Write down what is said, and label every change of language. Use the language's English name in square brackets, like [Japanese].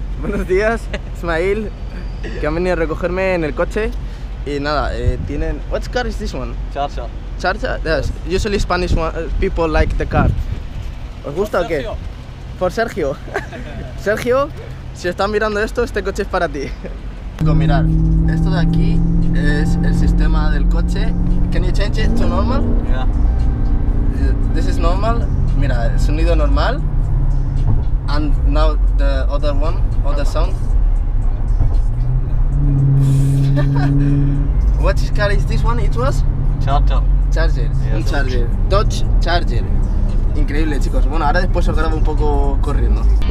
[Spanish] Buenos días, Ismail, que han venido a recogerme en el coche. Y nada, tienen... [English] What car is this one? Charger. Charger? Yes. Yes. Usually Spanish people like the car. [Spanish] ¿Os gusta Sergio? ¿O qué? Por Sergio. Sergio, si están mirando esto, este coche es para ti. Mirad, esto de aquí es el sistema del coche. [English] Can you change it to normal? Yeah. This is normal. [Spanish] Mira, el sonido normal. [English] And now the other one, other sound. What car is this one? It was? Charger. Charger. [Spanish] Un Charger. Dodge Charger. Increíble, chicos. Bueno, ahora después os grabo un poco corriendo.